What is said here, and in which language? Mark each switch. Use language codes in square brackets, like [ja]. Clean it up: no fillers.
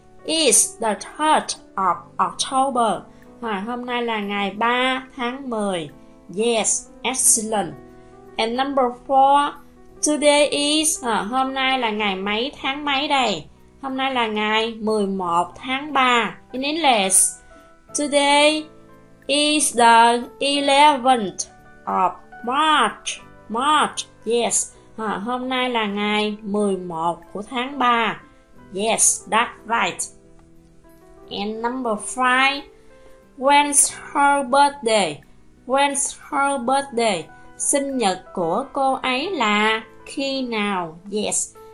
[en] It's the 3rd of October. [vi] Hôm nay là ngày 3 tháng 10. [en] Yes. Excellent. And number four, today is, [vi] hôm nay là ngày mấy, tháng mấy đây? Hôm nay là ngày 11 tháng 3. [en] In English, today is the 11th of March. March, yes. [vi] Hôm nay là ngày 11 của tháng 3. [en] Yes, that's right. And number five, when's her birthday? When's her birthday? [vi] Sinh nhật của cô ấy là khi nào? Yes.